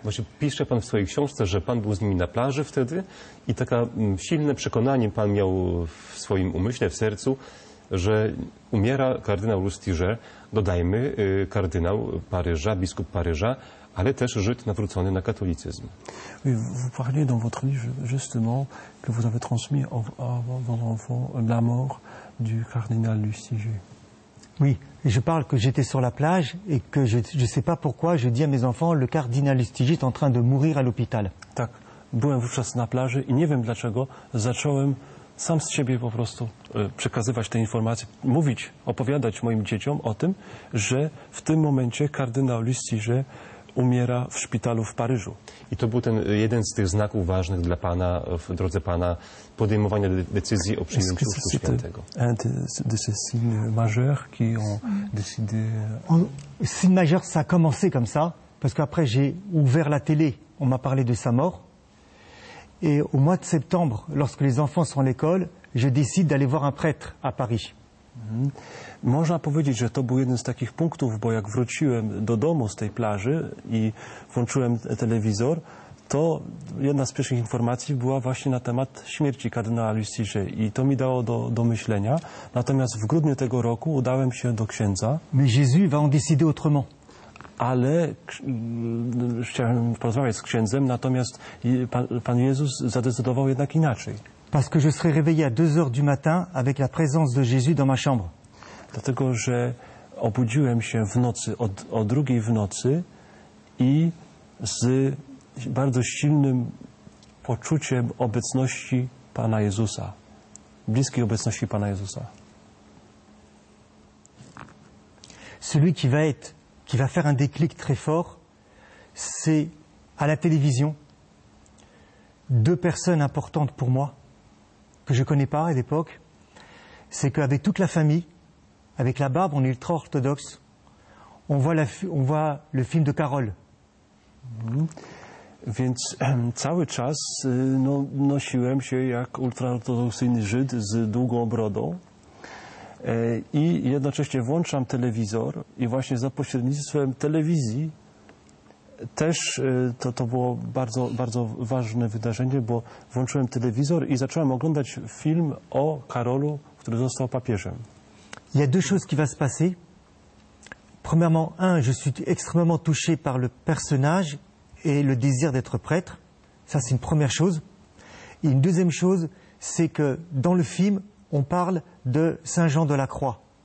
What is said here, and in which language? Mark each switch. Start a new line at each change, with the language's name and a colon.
Polish: Właśnie pisze pan w swojej książce, że pan był z nimi na plaży wtedy i takie silne przekonanie pan miał w swoim umyśle, w sercu, że umiera kardynał Lustiger, dodajmy, kardynał Paryża, biskup Paryża, ale też Żyd nawrócony na katolicyzm.
French: Oui, vous parliez dans votre livre justement que vous avez transmis à vos enfants la mort du cardinal Lustiger. Oui, et je parle que j'étais sur la plage et que je ne sais pas pourquoi je dis à mes enfants le cardinal Lustiger est en train de mourir à l'hôpital.
Polish: Tak, byłem wówczas na plaży i nie wiem dlaczego zacząłem sam z siebie po prostu przekazywać te informacje, mówić, opowiadać moim dzieciom o tym, że w tym momencie kardynał Lustiger umiera w szpitalu w Paryżu. I to był ten jeden z tych znaków ważnych dla pana, w drodze pana, podejmowania decyzji o przyjęciu Chrztu Świętego.
French: Un de ces signes majeurs qui ont décidé. Signe majeur, ça a commencé comme ça, parce qu'après j'ai ouvert la télé, on m'a parlé de sa mort. Et au mois de septembre, lorsque les enfants sont à l'école, je décide d'aller voir un prêtre à Paris.
Polish: Można powiedzieć, że to był jeden z takich punktów, bo jak wróciłem do domu z tej plaży i włączyłem telewizor, to jedna z pierwszych informacji była właśnie na temat śmierci kardynała Lustiger i to mi dało do myślenia. Natomiast w grudniu tego roku udałem się do księdza.
French: Mais Jésus va en décider autrement.
Polish: Ale chciałem porozmawiać z księdzem, natomiast Pan Jezus zadecydował jednak inaczej.
French: Parce que je serai réveillé à 2 heures du matin avec la présence de Jésus dans ma chambre.
Polish: Dlatego, że obudziłem się w nocy, o drugiej w nocy i z bardzo silnym poczuciem obecności Pana Jezusa, bliskiej obecności Pana Jezusa.
French: Celui qui va faire un déclic très fort, c'est à la télévision deux personnes importantes pour moi. Que je connais pas à l'époque, c'est qu'avec toute la famille, avec la barbe, on est ultra orthodoxe, on voit le film de Carole.
Polish: Więc cały czas nosiłem się jak ultraortodoksyjny Żyd z długą brodą i jednocześnie włączam telewizor i właśnie za pośrednictwem telewizji też to było bardzo, bardzo ważne wydarzenie, bo włączyłem telewizor i zacząłem oglądać film o Karolu, który został papieżem.
French: Il y a deux choses qui va se passer. Premièrement, un, je suis extrêmement touché par le personnage et le désir d'être prêtre. Ça, c'est une première chose. Et une deuxième chose, c'est que dans le film, on parle de Saint Jean de la Croix.